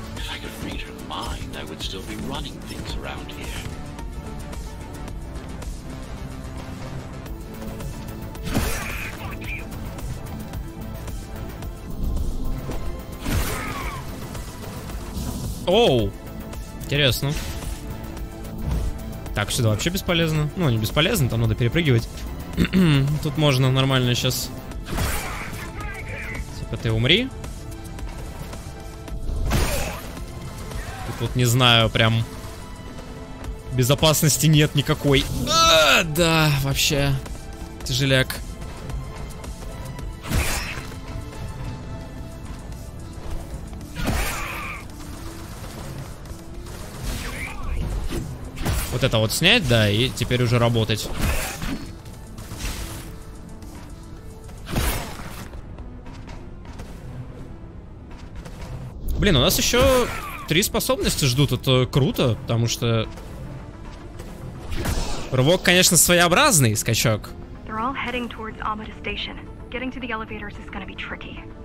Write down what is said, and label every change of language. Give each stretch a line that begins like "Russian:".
English: If I could read her mind, I would still be running things around here.
Russian: Оу! Интересно. Так, сюда вообще бесполезно. Ну, не бесполезно, там надо перепрыгивать. Тут можно нормально сейчас... А ты умри. Тут вот не знаю, прям безопасности нет никакой. А, да, вообще тяжеляк. Вот это вот снять, да, и теперь уже работать. Блин, у нас еще три способности ждут, это круто, потому что рывок, конечно, своеобразный скачок.
English: They're all heading towards Amida Station. Getting to the elevators is gonna be tricky.